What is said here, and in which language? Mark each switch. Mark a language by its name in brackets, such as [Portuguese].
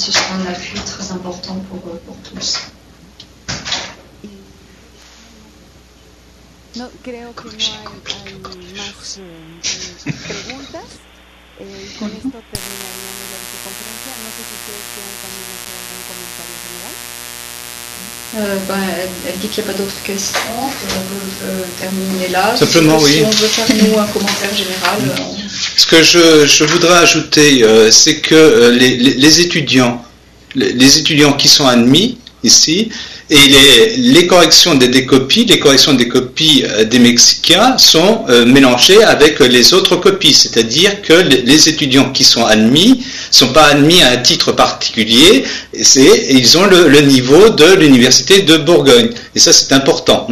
[French] Ce sera un appui très important pour tous. [Spanish] No, creo que no hay más preguntas. Con esto terminaría mi conferencia. No sé si ustedes quieren también hacer algún comentario general. [French] Elle dit qu'il n'y a pas d'autres questions. On peut terminer là. Simplement, oui. Si on veut faire nous un commentaire général. Ce que je voudrais ajouter, c'est que les étudiants qui sont admis ici, et les corrections des copies des Mexicains sont mélangées avec les autres copies, c'est-à-dire que les étudiants qui sont admis ne sont pas admis à un titre particulier, ils ont le niveau de l'université de Bourgogne, et ça c'est important.